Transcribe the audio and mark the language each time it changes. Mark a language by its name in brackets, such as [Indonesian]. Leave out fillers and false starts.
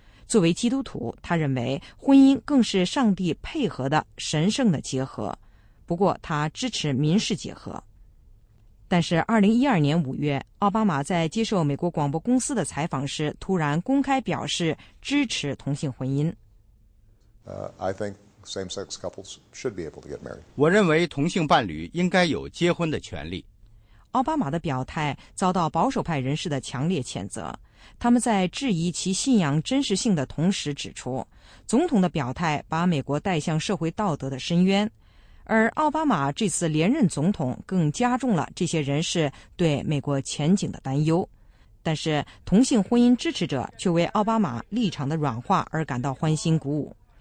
[Chinese] 作为基督徒，他认为婚姻更是上帝配合的神圣的结合，不过他支持民事结合。但是2012年5月，奥巴马在接受美国广播公司的采访时，突然公开表示支持同性婚姻。 [English] I think same-sex couples should be able to get married. [Chinese] 我认为同性伴侣应该有结婚的权利。奥巴马的表态遭到保守派人士的强烈谴责，他们在质疑其信仰真实性的同时指出，总统的表态把美国带向社会道德的深渊。而奥巴马这次连任总统更加重了这些人士对美国前景的担忧，但是同性婚姻支持者却为奥巴马立场的软化而感到欢欣鼓舞。